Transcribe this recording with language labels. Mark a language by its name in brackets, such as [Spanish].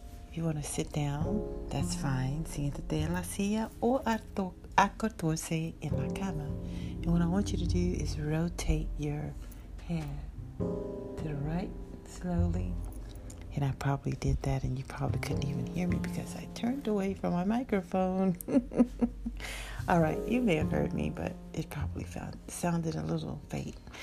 [English] If you want to sit down, that's fine. [Spanish] Siéntate en la silla o acostarse en la cama. [English] And what I want you to do is rotate your hair to the right slowly. And I probably did that and you probably couldn't even hear me because I turned away from my microphone. All right, you may have heard me, but it probably sounded a little faint.